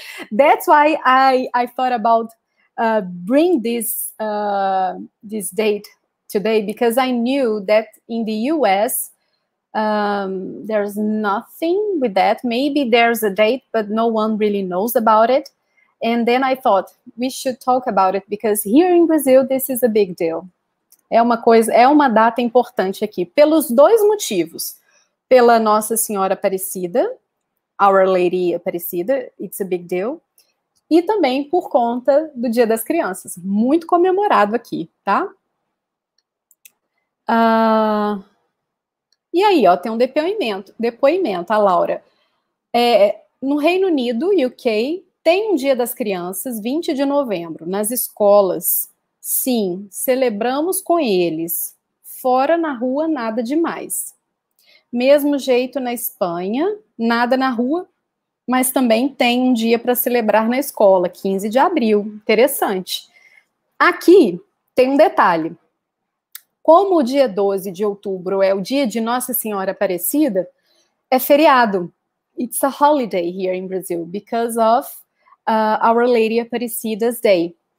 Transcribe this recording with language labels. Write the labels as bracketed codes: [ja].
[en] That's why I thought about bring this date today because I knew that in the US there's nothing with that. Maybe there's a date, but no one really knows about it. And then I thought we should talk about it because here in Brazil this is a big deal. [pt] É uma coisa, é uma data importante aqui, pelos dois motivos. Pela Nossa Senhora Aparecida, [en] Our Lady Aparecida, it's a big deal. [pt] E também por conta do Dia das Crianças, muito comemorado aqui, tá? E aí, ó, tem um depoimento. Depoimento, a Laura. No Reino Unido, UK, tem um Dia das Crianças, 20 de novembro, nas escolas. Sim, celebramos com eles. Fora na rua, nada demais. Mesmo jeito na Espanha, nada na rua, mas também tem um dia para celebrar na escola, 15 de abril. Interessante. Aqui tem um detalhe. Como o dia 12 de outubro é o dia de Nossa Senhora Aparecida, é feriado. [en] It's a holiday here in Brazil because of Our Lady Aparecida's Day.